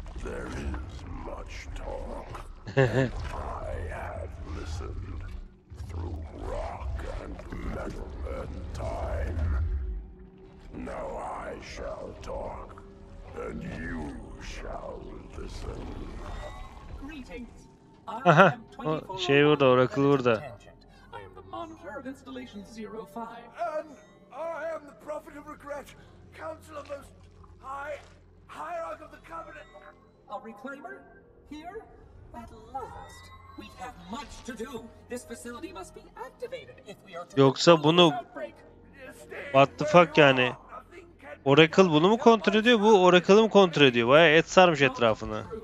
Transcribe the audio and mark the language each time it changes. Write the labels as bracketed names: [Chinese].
[English] There is much talk. I have listened through rock and metal and time. Now I shall talk, and you shall listen. Greetings. [Turkish] Aha, o şey burada, Oracle burada. [English] I am the monitor of installation 05. And I am the prophet of regret, council of most high, hierarch of the covenant. A reclaimer? Here? At last. We have much to do. This facility must be activated if we are to... [Turkish] Yoksa bunu... [English] What the fuck [Turkish] yani? Oracle bunu mu kontrol ediyor? Bu Oracle'ı mı kontrol ediyor? Bayağı et sarmış etrafını.